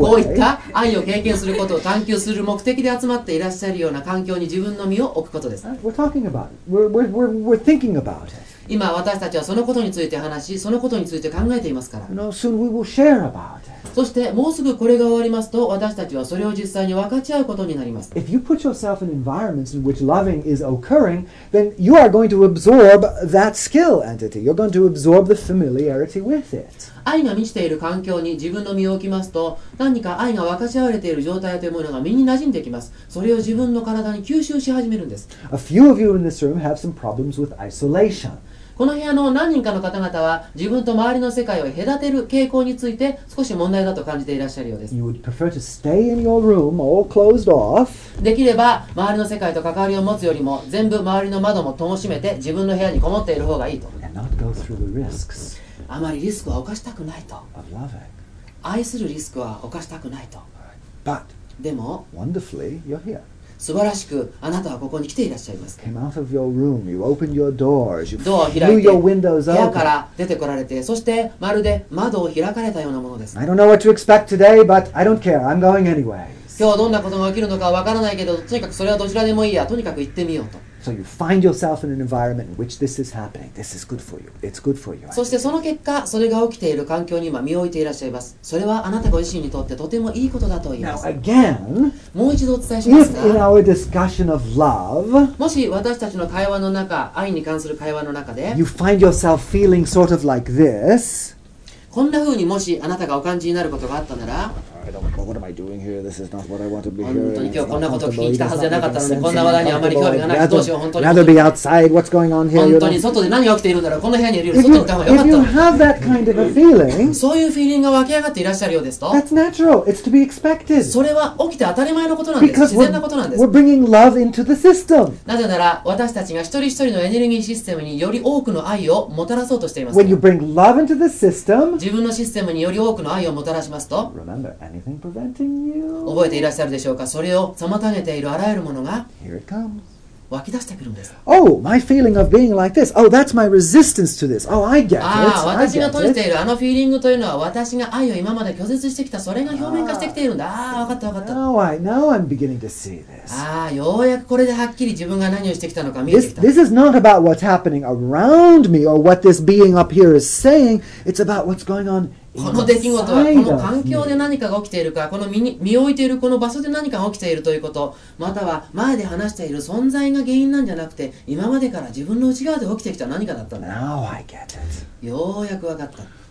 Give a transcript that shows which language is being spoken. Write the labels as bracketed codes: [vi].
[ja] こういった愛を経験することを探求する目的で集まっていらっしゃるような環境に自分の身を置くことです。 [en] We're talking about it. We're thinking about it. [ja] 今私たちはそのことについて話し、そのことについて考えていますから。 [en] No, soon we will share about it. [ja] そしてもうすぐこれが終わりますと、私たちはそれを実際に分かち合うことになります。 [en] If you put yourself in environments in which loving is occurring, then you are going to absorb that skill entity. You're going to absorb the familiarity with it. [ja] 愛が満ちている環境に自分の身を置きますと、何か愛が分かち合われている状態というものが身に馴染んできます。それを自分の体に吸収し始めるんです。 [en] A few of you in this room have some problems with isolation. [ja] この部屋の何人かの方々は自分と周りの世界を隔てる傾向について少し問題だと感じていらっしゃるようです。 [en] You would prefer to stay in your room all closed off. [ja] できれば周りの世界と関わりを持つよりも全部周りの窓も灯しめて自分の部屋にこもっている方がいいと。 [en] And not go through the risks. [ja] あまりリスクは犯したくないと。 [en] Of loving. [ja] 愛するリスクは犯したくないと。 [en] But, [ja] でも [en] wonderfully, you're here. [ja] 素晴らしくあなたはここに来ていらっしゃいます。 [en] came out of your room, you opened your doors, you flew your windows open. [ja] 部屋から出てこられて、そしてまるで窓を開かれたようなものです。 [en] I don't know what to expect today, but I don't care, I'm going anyway. [ja] 今日どんなことが起きるのかわからないけど、とにかくそれはどちらでもいいや、とにかく行ってみようと。 [en] So you find yourself in an environment in which this is happening. This is good for you. It's good for you. [ja] そしてその結果、それが起きている環境に今身を置いていらっしゃいます。それはあなたご自身にとってとてもいいことだと言います。 [en] Now again, [ja] もう一度お伝えしますが、 [en] If in our discussion of love, [ja] もし私たちの会話の中、愛に関する会話の中で、 [en] you find yourself feeling sort of like this, [ja] こんな風にもしあなたがお感じになることがあったなら、 [en] What am I doing here? This is not what I want to be here. [ja] 本当に今日こんなことを聞きに来たはずじゃなかったので、こんな話題にあまり興味がなくて、どうしよう、本当に。 [en] Rather be outside. What's going on here? [ja] 本当に外で何が起きているんだろう。この部屋にいるより外に行った方がよかった。 [en] If you have that kind of a feeling, [ja] そういうフィーリングが湧き上がっていらっしゃるようですと、 [en] That's natural. It's to be expected. [ja] それは起きて当たり前のことなんです。自然なことなんです。 [en] We're bringing love into the system. [ja] なぜなら私たちが一人一人のエネルギーシステムにより多くの愛をもたらそうとしています。 [en] When you bring love into the system, [ja] 自分のシステムにより多くの愛をもたらしますと、 [en] Remember anything. Preventing you. [ja] 覚えていらっしゃるでしょうか。それを妨げているあらゆるものが [en] Here it comes. [ja] 湧き出してくるんです。 [en] Oh, my feeling of being like this. Oh, that's my resistance to this. Oh, I get it. [ja] ああ、私が閉じているあのフィーリングというのは私が愛を今まで拒絶してきた、それが表面化してきているんだ。ああ、分かった分かった。 [en] Now, now I'm beginning to see this. [ja] ああ、ようやくこれではっきり自分が何をしてきたのか見えてきた。 [en] This is not about what's happening around me or what this being up here is saying. It's about what's going on [ja] この出来事はこの環境で何かが起きているか、この 身を置いているこの場所で何かが起きているということ、または前で話している存在が原因なんじゃなくて、今までから自分の内側で起きてきた何かだったんだ。 [en] Now I get it. [ja] ようやく分かった。